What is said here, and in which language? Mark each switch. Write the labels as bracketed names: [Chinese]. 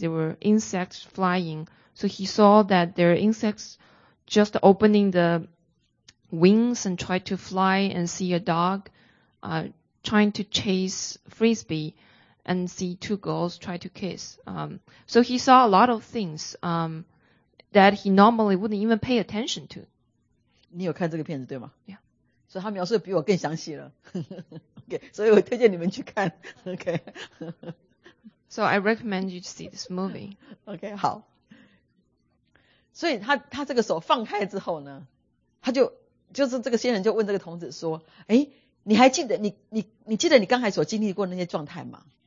[English] There were insects flying. So he saw that there are insects just opening the wings and try to fly and see a dog trying to chase frisbee and see two girls try to kiss. So he saw a lot of things that he normally wouldn't even pay attention to. [Chinese] 你有看这个片子对吗? [English] Yeah. [Chinese] 所以他描述的比我更详细了。Okay, 所以我推荐你们去看。 [English] Okay. So I recommend you to see this movie. [Chinese] Okay, 好。所以他这个手放开之后呢, 就是这个先生就问这个童子说，哎，你还记得你刚才所经历过那些状态吗？